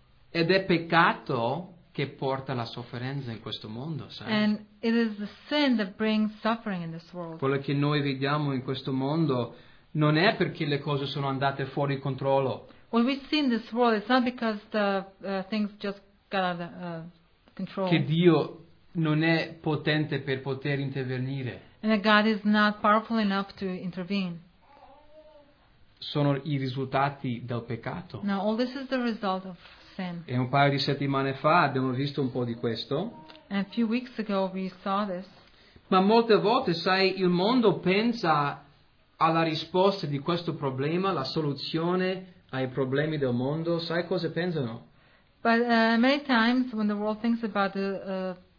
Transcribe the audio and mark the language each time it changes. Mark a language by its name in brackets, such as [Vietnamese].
[Italian] Ed è peccato che porta la sofferenza in questo mondo, sai? [English] And it is the sin that brings suffering in this world. [Italian] Quello che noi vediamo in questo mondo non è perché le cose sono andate fuori controllo. [English] What we see in this world, it's not because the things just got out of control. [Italian] Che Dio non è potente per poter intervenire. [English] And that God is not powerful enough to intervene. [Italian] Sono i risultati del peccato. [English] No, all this is the result of sin. [Italian] E un paio di settimane fa abbiamo visto un po' di questo. [English] And a few weeks ago we saw this. [Italian] Ma molte volte, sai, il mondo pensa alla risposta di questo problema, la soluzione ai problemi del mondo, sai cosa pensano? [English] But many times when the world thinks about the